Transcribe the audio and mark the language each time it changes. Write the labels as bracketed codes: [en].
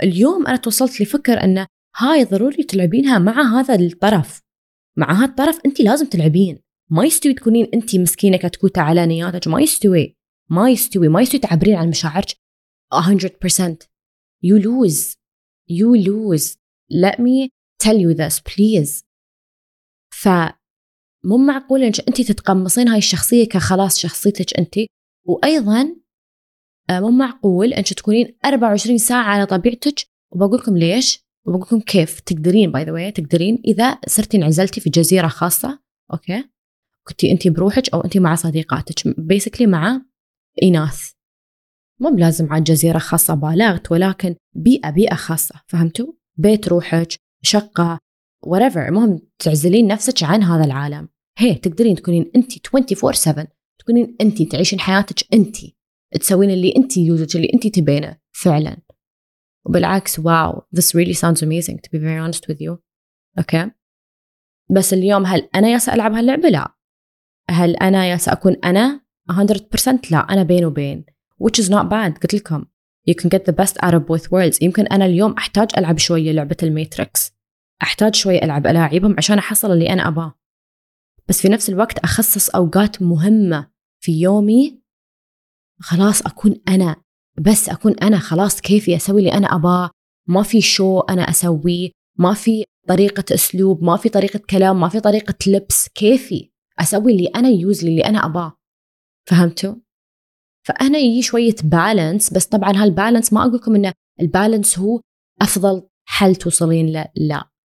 [ar] اليوم أنا توصلت لفكر أن هاي ضروري تلعبينها مع هذا الطرف. مع هذا الطرف أنت لازم تلعبين. ما يستوي تكونين انتي مسكينة كتكوتة على نياتك، ما يستوي تعبرين عن مشاعرك 100%. [en] You lose. Let me tell you this, please. [ar] فمو معقول انك انتي تتقمصين هاي الشخصية كخلاص شخصيتك انتي، وايضا مو معقول انك تكونين 24 ساعة على طبيعتك. وبقولكم ليش، وبقولكم كيف تقدرين، by the way تقدرين اذا صرتي انعزلتي في جزيرة خاصة، اوكي، كنتي انتي بروحك او انتي مع صديقاتك، بيسكلي مع اناث، مو بلازم على جزيره خاصه بالغت، ولكن بيئه خاصه، فهمتوا؟ بيت روحك، شقه، whatever، المهم تعزلين نفسك عن هذا العالم. هي تقدرين تكونين انتي 24/7، تكونين انتي تعيشين حياتك انتي، تسوين اللي انتي يوزك، اللي انتي تبينه فعلا. وبالعكس، واو، [en] this really sounds amazing to be very honest with you. [ar] اوكي، بس اليوم هل انا ياس العب هاللعبه؟ لا. هل أنا سأكون أنا 100%؟ لا، أنا بين وبين، [en] which is not bad. [ar] قلت لكم [en] you can get the best out of both worlds. [ar] يمكن أنا اليوم أحتاج ألعب شوية لعبة الميتريكس، أحتاج شوية ألعب ألاعيبهم عشان أحصل اللي أنا أباه، بس في نفس الوقت أخصص أوقات مهمة في يومي خلاص أكون أنا، بس أكون أنا، خلاص كيفي أسوي اللي أنا أباه، ما في شو أنا أسويه، ما في طريقة أسلوب، ما في طريقة كلام، ما في طريقة لبس، كيفي أسوي اللي أنا يوز لي، اللي أنا أبا، فهمتوا؟ فأنا يجي شوية بالانس، بس طبعاً هالبالانس ما أقولكم إنه البالانس هو أفضل حل توصلين له، لا.